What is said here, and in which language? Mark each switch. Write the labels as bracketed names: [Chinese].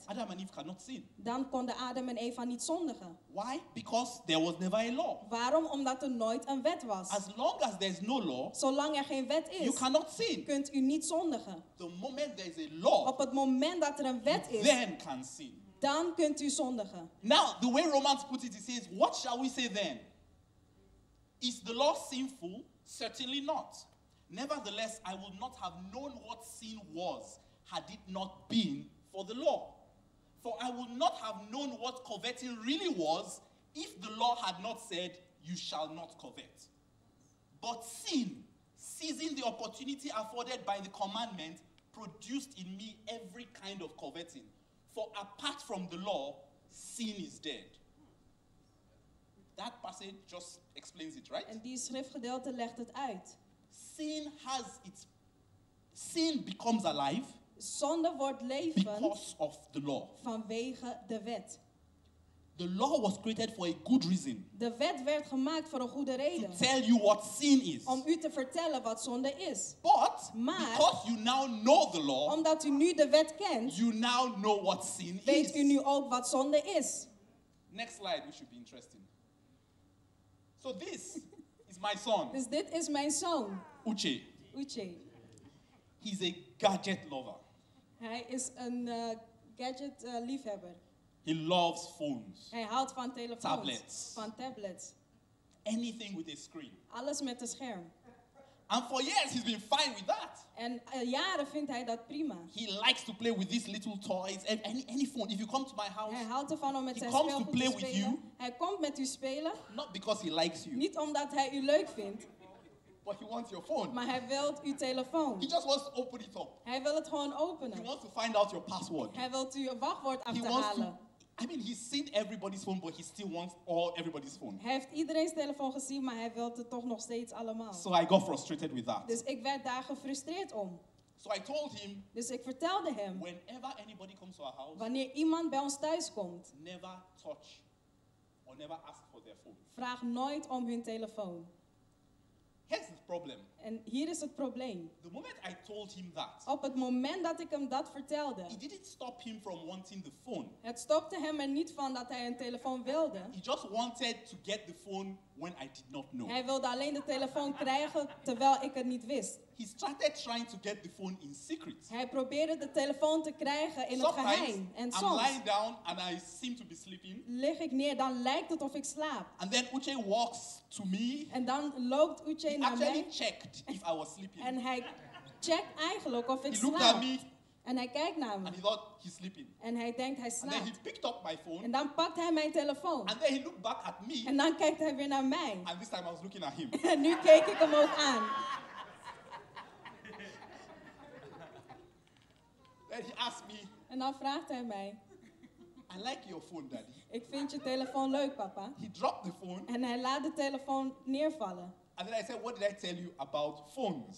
[English] Adam and Eve cannot sin. [Dutch] Dan konden Adam en Eva niet zondigen. [English] Why? Because there was never a law. [Dutch] Waarom? Omdat er nooit een wet was. [English] As long as there's no law, [Dutch] zolang er geen wet is, [English] you cannot sin. [Dutch] Kunt u niet zondigen. [English] The moment there is a law, [Dutch] op het moment dat er een wet is, [English] then can sin. [Dutch] Dan kunt u zondigen. [English] Now, the way Romans put it, he says, what shall we say then? Is the law sinful? Certainly not. Nevertheless, I would not have known what sin was had it not been for the law. For I would not have known what coveting really was if the law had not said, you shall not covet. But sin, seizing the opportunity afforded by the commandment, produced in me every kind of coveting. For apart from the law, sin is dead. That passage just explains it, right? [Dutch] En die schriftgedeelte legt het uit. [English] Sin has its sin becomes alive. [Dutch] Zonde wordt levend. [English] Because of the law. [Dutch] Vanwege de wet. [English] The law was created for a good reason. [Dutch] De wet werd gemaakt voor een goede reden. [English] To tell you what sin is. [Dutch] Om u te vertellen wat zonde is. [English] But [Dutch] maar, [English] because you now know the law. [Dutch] Omdat u nu de wet kent. [English] You now know what sin [Dutch] weet [English] is. [Dutch] Weet u nu ook wat zonde is? [English] Next slide, which should be interesting. So this is my son. [Dutch] Dus dit is mijn zoon. [English] Uche. [Dutch] Uche. [English] He's a gadget lover. [Dutch] Hij is een gadget liefhebber. [English] He loves phones. [Dutch] Hij houdt van telefoons. [English] Tablets. [Dutch] Van tablets. [English] Anything with a screen. [Dutch] Alles met een scherm. [English] And for years he's been fine with that. [Dutch] En jaren vindt hij dat prima. [English] He likes to play with these little toys. Any phone. If you come to my house. [Dutch] Hij houdt ervan om met zijn speelgoed te spelen. [English] To play with you. [Dutch] Hij komt met u spelen. [English] Not because he likes you. [Dutch] Niet omdat hij u leuk vindt. [English] But he wants your phone. [Dutch] Maar hij wil uw telefoon. [English] He just wants to open it up. [Dutch] Hij wil het gewoon openen. [English] He wants to find out your password. [Dutch] Hij wil uw wachtwoord achterhalen. [English] I mean, he's seen everybody's phone, but he still wants all everybody's phone. [Dutch] Hij heeft iedereen's telefoon gezien, maar hij wil het toch nog steeds allemaal. [English] So I got frustrated with that. [Dutch] Dus ik werd daar gefrustreerd om. [English] So I told him. [Dutch] Dus ik vertelde hem. [English] Whenever anybody comes to our house. [Dutch] Wanneer iemand bij ons thuis komt. [English] Never touch or never ask for their phone. [Dutch] Vraag nooit om hun telefoon. [English] Here's the problem. [Dutch] En hier is het probleem. [English] The moment I told him that. [Dutch] Op het moment dat ik hem dat vertelde. [English] It didn't stop him from wanting the phone. [Dutch] Het stopte hem er niet van dat hij een telefoon wilde. [English] He just wanted to get the phone when I did not know. [Dutch] Hij wilde alleen de telefoon krijgen terwijl ik het niet wist. [English] He started trying to get the phone in secret. [Dutch] Hij probeerde de telefoon te krijgen in [English] Sometimes [Dutch] het geheim. En soms. [English] I'm lying down and I seem to be sleeping. [Dutch] Lig ik neer, dan lijkt het of ik slaap. [English] And then Uche walks to me. [Dutch] En dan loopt Uche [English] He [Dutch] naar [English] actually [Dutch] mij. [English] Actually checked if I was sleeping. [Dutch] En hij checkt eigenlijk of ik [English] He [Dutch] slaap. [English] He looked at me. [Dutch] En hij kijkt naar me. [English] And he thought he's sleeping. [Dutch] En hij denkt hij slaapt. [English] And then he picked up my phone. [Dutch] En dan pakt hij mijn telefoon. [English] And then he looked back at me. [Dutch] En dan kijkt hij weer naar mij. [English] And this time I was looking at him. [Dutch] En nu keek ik hem ook aan. [English] Then he asked me. [Dutch] En dan vraagt hij mij. [English] I like your phone, daddy. [Dutch] Ik vind je telefoon leuk, papa. [English] He dropped the phone. [Dutch] En hij laat de telefoon neervallen. [English] And then I said, what did I tell you about phones?